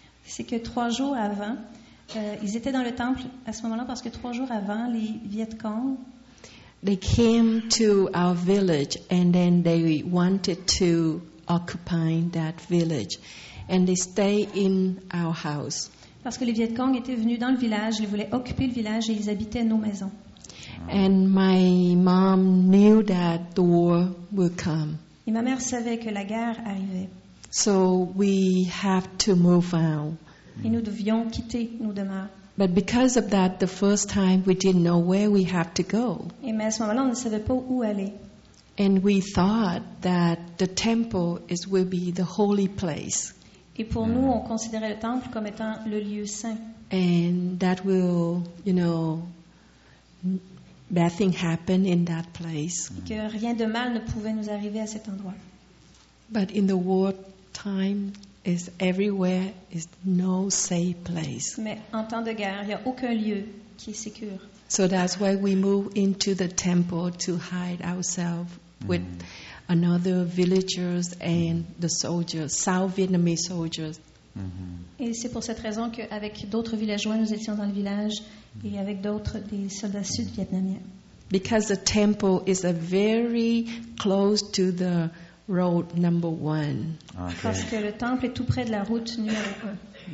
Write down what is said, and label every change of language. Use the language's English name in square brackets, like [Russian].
[French] C'est que 3 jours avant, ils étaient dans le temple à ce moment-là parce que 3 jours avant, les Viet Cong, [English] they came to our village and then they wanted to occupying that village and they stay in our house. [French] Parce que les Viet Cong étaient venus dans le village, ils voulaient occuper le village et ils habitaient nos maisons. [English] And my mom knew that the war would come. [French] Et ma mère savait que la guerre arrivait. [English] So we have to move out. [French] Et nous devions quitter nos demeures. [English] But because of that the first time we didn't know where we have to go. [French] Et mais à ce moment-là on ne savait pas où aller. [English] And we thought that the temple is will be the holy place. [French] Et pour nous, on considérait le temple comme étant le lieu saint. [English] And that will, you know, bad thing happen in that place. [French] Et que rien de mal ne pouvait nous arriver à cet endroit. [English] But in the war time, is everywhere is no safe place. [French] Mais en temps de guerre, il n'y a aucun lieu qui est sécure. [English] So that's why we move into the temple to hide ourselves. With another villagers and the soldiers, South Vietnamese soldiers. Mm-hmm. [French] Et c'est pour cette raison que avec d'autres villageois nous étions dans le village et avec d'autres des soldats sud-vietnamiens. [English] Because the temple is a very close to the road number one. Okay. [French] Parce que le temple est tout près de la route numéro 1.